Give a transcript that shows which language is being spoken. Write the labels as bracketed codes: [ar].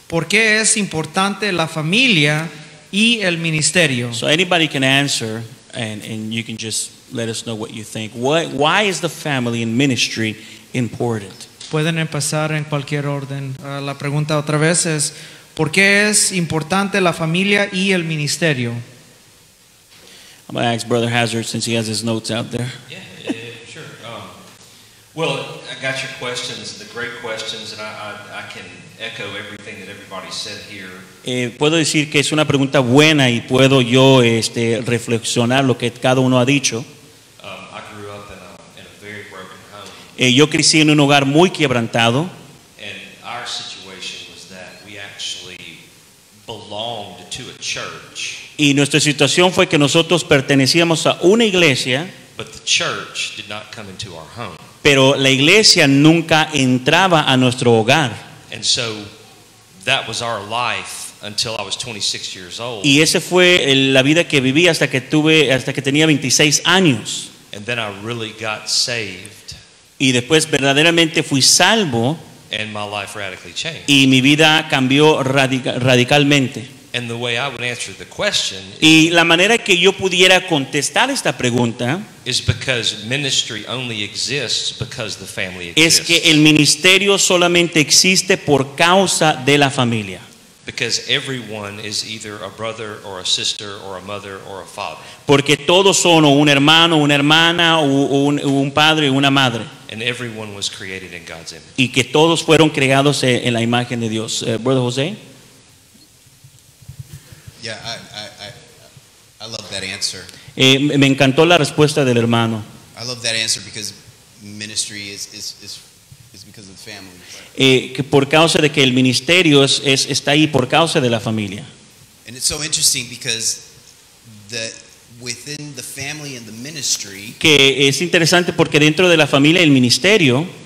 [es] ¿Por qué es importante la familia y el ministerio? [en] So anybody can answer, and you can just let us know what you think. Why is the family and ministry important? [es] Pueden empezar en cualquier orden. La pregunta otra vez es, ¿por qué es importante la familia y el ministerio? [en] I'm going to ask Brother Hazard since he has his notes out there. Yeah, sure. Well, I got your questions, the great questions, and I can echo everything that everybody said here. [es] Puedo decir que es una pregunta buena y puedo yo reflexionar lo que cada uno ha dicho. [en] I grew up in a very broken home. [es] Yo crecí en un hogar muy quebrantado. [en] And our situation was that we actually belonged to a church. [es] Y nuestra situación fue que nosotros pertenecíamos a una iglesia, [en] but the church did not come into our home. [es] Pero la iglesia nunca entraba a nuestro hogar. [en] And so that was our life until I was 26 years old. [es] Y esa fue la vida que viví hasta que tenía 26 años. [en] And then I really got saved. [es] Y después verdaderamente fui salvo. [en] And my life radically changed. [es] Y mi vida cambió radicalmente. [en] And the way I would answer the question, [es] y la manera que yo pudiera contestar esta pregunta, [en] is because ministry only exists because the family exists. [es] Es que el ministerio solamente existe por causa de la familia. [en] Because everyone is either a brother or a sister or a mother or a father. [es] Porque todos son un hermano, una hermana, un padre, una madre. [en] And everyone was created in God's image. [es] Y que todos fueron creados en la imagen de Dios. [en] Brother Jose. Yeah, I love that answer. [es] Me encantó la respuesta del hermano. [en] I love that answer because ministry is because of the family. [es] Que por causa de que el ministerio está ahí por causa de la familia. [en] And it's so interesting because within the family and the ministry. [es] Que es interesante porque dentro de la familia y el ministerio.